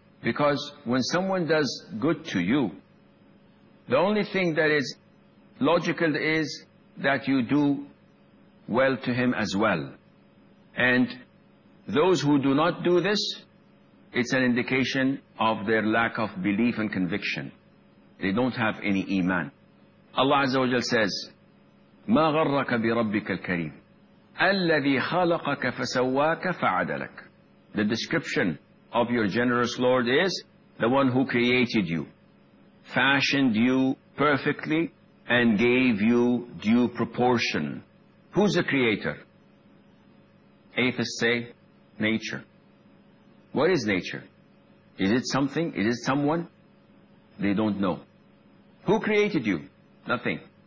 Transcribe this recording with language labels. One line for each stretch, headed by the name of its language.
English: Because when someone does good to you, the only thing that is logical is that you do well to him as well. And those who do not do this, it's an indication of their lack of belief and conviction. They don't have any iman.
Arabic: Allah Azza wa Jal says, مَا غَرَّكَ بِرَبِّكَ الْكَرِيمِ الَّذِي خَلَقَكَ فَسَوَّاكَ فَعَدَلَكَ.
English: The description of your generous Lord is the one who created you, fashioned you perfectly, and gave you due proportion. Who's the creator? Atheists say, nature. What is nature? Is it something? Is it someone? They don't know. Who created you? Nothing.